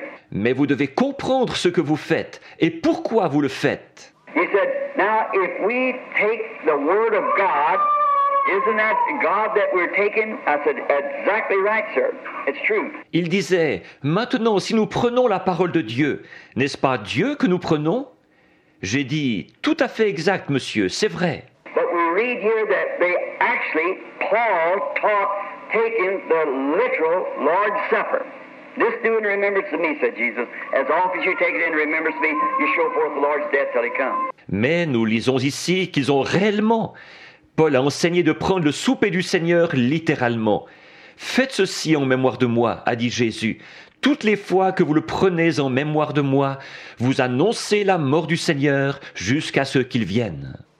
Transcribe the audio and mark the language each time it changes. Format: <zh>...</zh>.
<fr>Mais vous devez comprendre ce que vous faites et pourquoi vous le faites.</fr> <en>He said, now if we take the word of God, isn't that God that we're taking? I said, exactly right, sir. It's true.</en> <fr>Il disait, maintenant, si nous prenons la parole de Dieu, n'est-ce pas Dieu que nous prenons? J'ai dit, tout à fait exact, monsieur, c'est vrai.</fr> <en>But we read here that they actually, Paul taught taking the literal Lord's Supper. This do in remembrance of me, said Jesus. As often as you take it in remembrance of me, you show forth the Lord's death till he comes.</en> <fr>Mais nous lisons ici qu'ils ont réellement... Paul a enseigné de prendre le souper du Seigneur littéralement. « Faites ceci en mémoire de moi, a dit Jésus, toutes les fois que vous le prenez en mémoire de moi, vous annoncez la mort du Seigneur jusqu'à ce qu'il vienne.</fr>